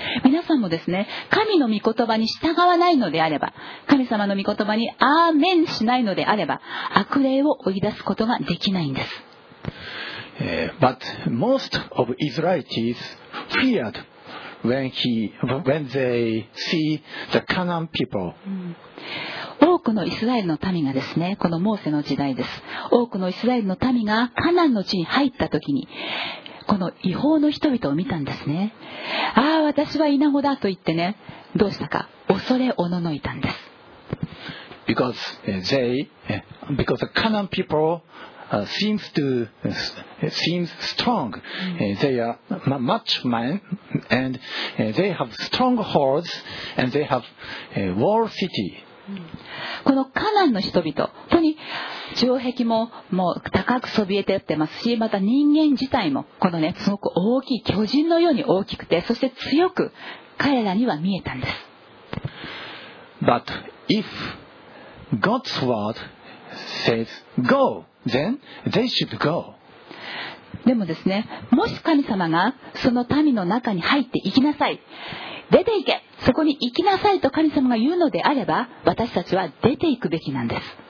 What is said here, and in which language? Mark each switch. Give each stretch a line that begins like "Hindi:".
Japanese: 皆さんもですね、神の御言葉に従わないのであれば、神様の御言葉にアーメンしないのであれば、悪霊を追い出すことができないんです。
English: But most of Israelites feared when they see the Canaan people.
Japanese: 多くのイスラエルの民がですね、このモーセの時代です。多くのイスラエルの民がカナンの地に入った時に、この異邦の人々を見たんですね。ああ、私はイナゴだと言ってね、どうしたか恐れおののいたんです。
English: Because the Canaan people seems strong. They are much men and they have strong holds and they have walled city.
Japanese: このカナンの人々、本当に城壁も、もう高くそびえてやってますし、また人間自体もこのね、すごく大きい巨人のように大きくて、そして強く彼らには見えたんです。
English: But if God's word says go, then they should go.
Japanese: でもですね、もし神様がその民の中に入って行きなさい、出て行け、そこに行きなさいと神様が言うのであれば、私たちは出て行くべきなんです。